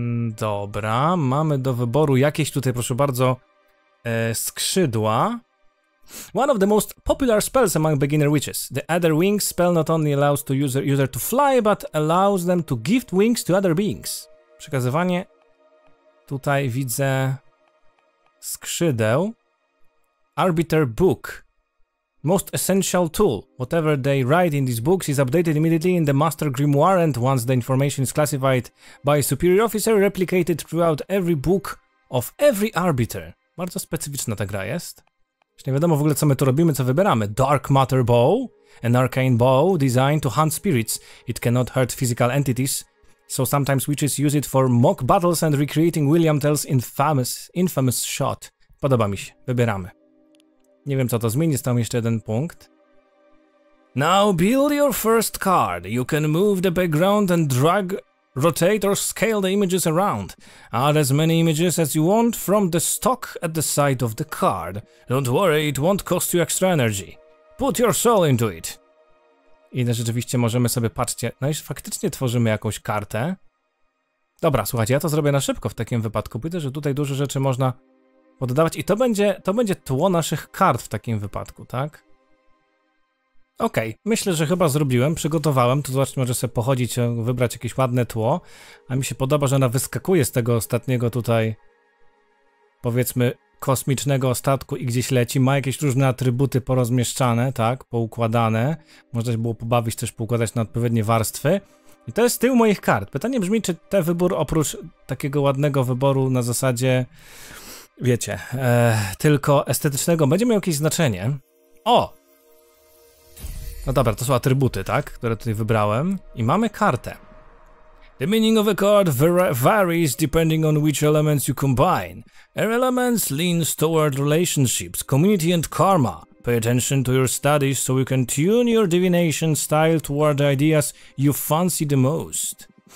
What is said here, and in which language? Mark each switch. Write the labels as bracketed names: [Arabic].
[Polish] Dobra. Mamy do wyboru jakieś tutaj, proszę bardzo, skrzydła. [English] One of the most popular spells among beginner witches. The other wings spell not only allows to user to fly, but allows them to gift wings to other beings. [Polish] Przekazywanie. Tutaj widzę skrzydeł. [English] Arbiter book. Most essential tool. Whatever they write in these books is updated immediately in the Master Grimoire, and once the information is classified by a superior officer, replicated throughout every book of every arbiter. [Polish] Bardzo specyficzna ta gra jest. Już nie wiadomo w ogóle, co my tu robimy, co wybieramy. [English] Dark Matter Bow, an arcane bow designed to hunt spirits. It cannot hurt physical entities, so sometimes witches use it for mock battles and recreating William Tell's infamous shot. [Polish] Podoba mi się. Wybieramy. Nie wiem, co to zmieni. Stał mi jeszcze jeden punkt. [English] Now build your first card. You can move the background and drag, rotate or scale the images around. Add as many images as you want from the stock at the side of the card. Don't worry, it won't cost you extra energy. Put your soul into it. [Polish] I rzeczywiście możemy sobie, patrzcie, no i faktycznie tworzymy jakąś kartę. Dobra, słuchajcie, ja to zrobię na szybko w takim wypadku. Widzę, że tutaj dużo rzeczy można poddawać i to będzie tło naszych kart w takim wypadku, tak? Okej, okay, myślę, że chyba zrobiłem, przygotowałem. Tu zobaczcie, może sobie pochodzić, wybrać jakieś ładne tło. A mi się podoba, że ona wyskakuje z tego ostatniego tutaj, powiedzmy, kosmicznego statku i gdzieś leci. Ma jakieś różne atrybuty porozmieszczane, tak? Poukładane. Można się było pobawić też, poukładać na odpowiednie warstwy. I to jest tył moich kart. Pytanie brzmi, czy ten wybór, oprócz takiego ładnego wyboru na zasadzie, wiecie, tylko estetycznego, będzie miał jakieś znaczenie. O! No dobra, to są atrybuty, tak? Które tutaj wybrałem. I mamy kartę. [English] The meaning of a card varies depending on which elements you combine. Air elements leans toward relationships, community and karma. Pay attention to your studies so you can tune your divination style toward the ideas you fancy the most.